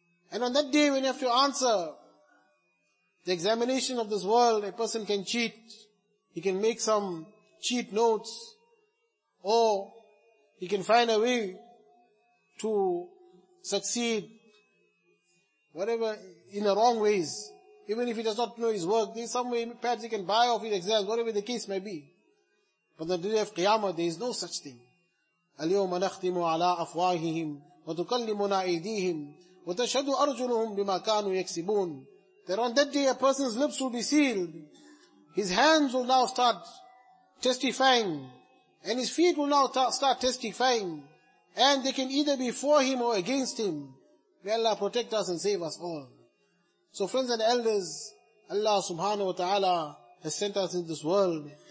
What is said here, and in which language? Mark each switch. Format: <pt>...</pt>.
<en>And on that day when you have to answer the examination of this world, a person can cheat, he can make some cheat notes, or he can find a way to succeed, whatever, in the wrong ways. Even if he does not know his work, there is some way perhaps he can buy off his exams, whatever the case may be. But the day of Qiyamah, there is no such thing.</en> <ar>اليوم نختم على أفواههم وتكلمنا أيديهم وتشهد أرجلهم بما كانوا يكسبون.</ar> <en>That on that day a person's lips will be sealed, his hands will now start testifying, and his feet will now start testifying, and they can either be for him or against him. May Allah protect us and save us all. So friends and elders, Allah subhanahu wa ta'ala has sent us in this world.</en>